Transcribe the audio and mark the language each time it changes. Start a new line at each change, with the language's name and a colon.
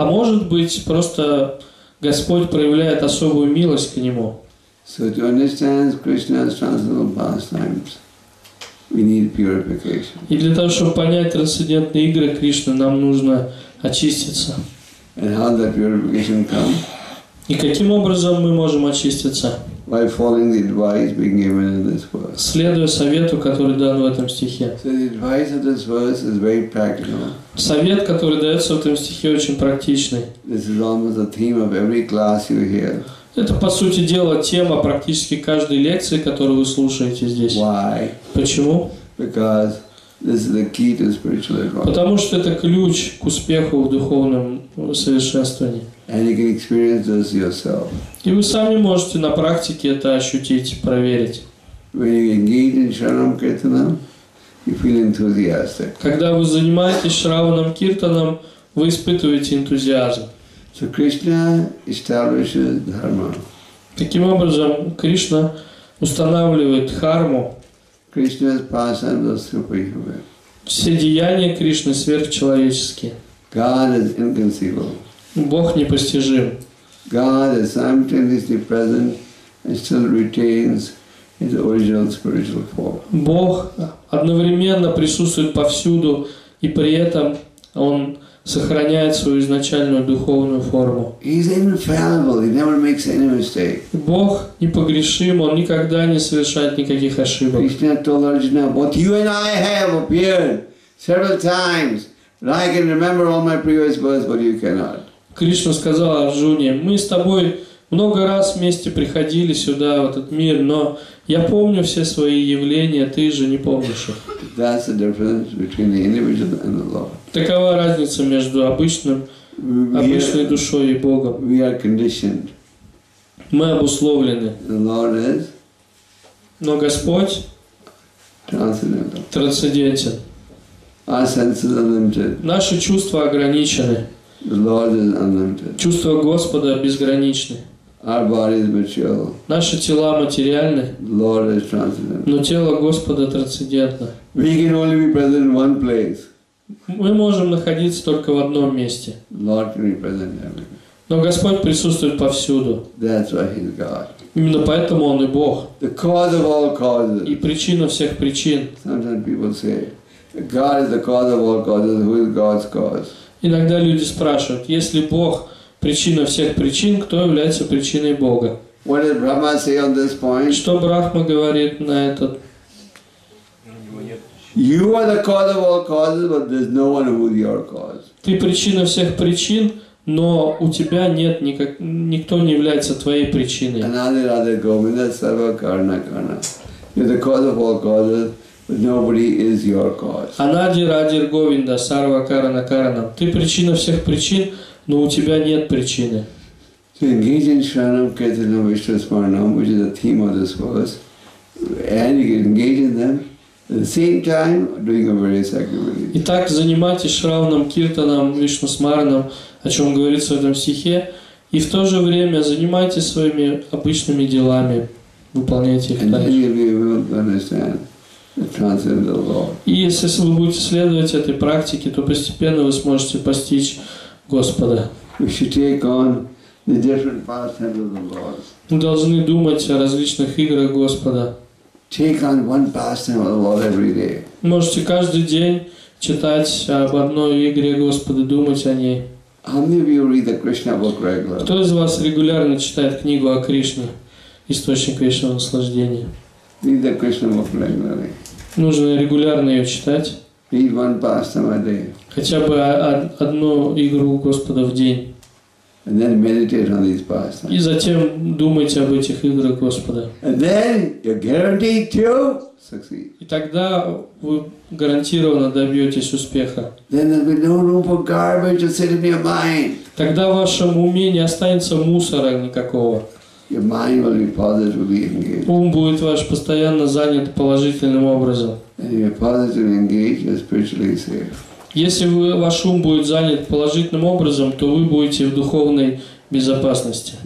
Russian: А может быть, просто Господь проявляет особую милость к нему?
English: So to understand Krishna's transcendental pastimes. We need purification.
Russian: И для того, чтобы понять трансцендентные игры Кришны, нам нужно очиститься.
English: And how that purification comes?
Russian: И каким образом мы можем очиститься?
English: by following the advice being given in this verse.
Russian: Следуя совету, который дан в этом стихе.
English: So the advice of this verse is very practical.
Russian: Совет, который дается в этом стихе, очень практичный.
English: This is almost the theme of every class you hear.
Russian: Это, по сути дела, тема практически каждой лекции, которую вы слушаете здесь.
English: Why?
Russian: Почему?
English: Because this is the key to spiritual advancement.
Russian: Потому что это ключ к успеху в духовном совершенствовании.
English: And you can experience this yourself.
Russian: И вы сами можете на практике это ощутить, проверить.
English: When you engage in Sharanam Kirtanam, you feel enthusiastic.
Russian: Когда вы занимаетесь Шраванам Киртаном, вы испытываете энтузиазм.
English: So Krishna establishes dharma.
Russian: Таким образом, Кришна устанавливает дхарму.
English: Krishna is pastime of superhuman.
Russian: Все деяния Кришны сверхчеловеческие.
English: God is inconceivable.
Russian: Бог непостижим.
English: God is simultaneously present and still retains his original spiritual form.
Russian: Бог одновременно присутствует повсюду, и при этом он сохраняет свою изначальную духовную форму.
English: He's infallible, he never makes any mistake.
Russian: Бог непогрешим, он никогда не совершает никаких ошибок.
English: Krishna told Arjuna, what you and I have appeared several times, and I can remember all my previous births, but you cannot.
Russian: Кришна сказал Арджуне, мы с тобой много раз вместе приходили сюда, в этот мир, но я помню все свои явления, ты же не помнишь их.
English: That's the difference between the individual and the Lord.
Russian: Такова разница между обычной душой и Богом.
English: We are conditioned.
Russian: Мы обусловлены.
English: The Lord is?
Russian: Но Господь трансцендентен.
English: Our senses are limited.
Russian: Наши чувства ограничены.
English: The Lord is unlimited.
Russian: Чувства Господа безграничны.
English: Our body is material.
Russian: Наши тела материальны.
English: The Lord is transcendental.
Russian: Но тело Господа трансцендентно.
English: We can only be present in one place.
Russian: Мы можем находиться только в одном месте.
English: Lord can be present everywhere.
Russian: Но Господь присутствует повсюду.
English: That's why He's God.
Russian: Именно поэтому Он и Бог.
English: The cause of all causes.
Russian: И причина всех причин.
English: Sometimes people say, God is the cause of all causes. Who is God's cause?
Russian: Иногда люди спрашивают, если Бог причина всех причин, кто является причиной Бога?
English: What does Brahma say on this point?
Russian: Что Брахма говорит на этот?
English: You are the cause of all causes, but there's no one who is your cause.
Russian: Ты причина всех причин, но у тебя нет никто не является твоей причиной.
Sanskrit: Anadi Radha Govinda Sarva Karna Karna.
English: You're the cause of all causes, but nobody is your cause.
Sanskrit: Anadi Radha Govinda Sarva Karna Karna.
Russian: Ты причина всех причин, но у тебя нет причины.
English: To engage in Sharanam Kirtanam Vishwasmaranam, which is the theme of this verse, and you can engage in them. At the same time, doing a various activities.
Russian: Итак, занимайтесь Шраванам Киртанам, Вишну Смаранам, о чем говорится в этом стихе, и в то же время занимайтесь своими обычными делами, выполняйте их
English: дальше. And then you will understand the transcendental law.
Russian: И если вы будете следовать этой практике, то постепенно вы сможете постичь Господа.
English: We should take on the different pastimes of the Lord.
Russian: Мы должны думать о различных играх Господа.
English: Take on one pastime of the Lord every day.
Russian: Можете каждый день читать об одной игре Господа, думать о ней.
English: How many of you read the Krishna book regularly?
Russian: Кто из вас регулярно читает книгу о Кришне, источник вечного наслаждения?
English: Read the Krishna book regularly.
Russian: Нужно регулярно ее читать.
English: Read one pastime a day.
Russian: Хотя бы одну игру Господа в день.
English: And then meditate on these pastimes.
Russian: И затем думайте об этих играх Господа.
English: And then you're guaranteed to succeed.
Russian: И тогда вы гарантированно добьетесь успеха.
English: Then there will be no room for garbage to sit in your mind.
Russian: Тогда в вашем уме не останется мусора никакого.
English: Your mind will be positively engaged.
Russian: Ум будет ваш постоянно занят положительным образом.
English: And you're positively engaged, you're spiritually safe.
Russian: Если ваш ум будет занят положительным образом, то вы будете в духовной безопасности.